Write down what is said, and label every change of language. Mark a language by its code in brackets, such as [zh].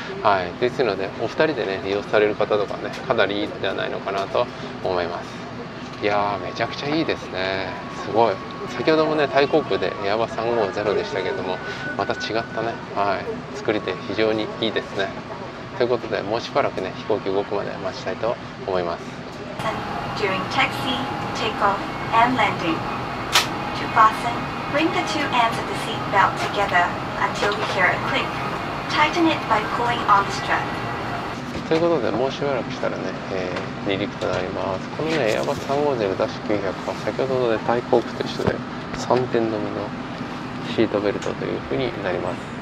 [ja] はい、ですのでお二人でね利用される方とかねかなりいいのではないのかなと思います。いやめちゃくちゃいいですね、すごい。先ほどもねタイ航空でエアバ350でしたけども、また違ったね、はい、作りで非常にいいですね。ということでもうしばらくね飛行機動くまで待ちたいと思います。 [en] During taxi, takeoff, and landing. To fasten, bring the two ends of the seat belt together until you hear a click. Tighten it by pulling on the strap. [ja] ということでもうしばらくしたらね、離陸となります。このねエアバス 350-900 は先ほどの、ね、タイ航空と一緒で3点止めのシートベルトというふうになります。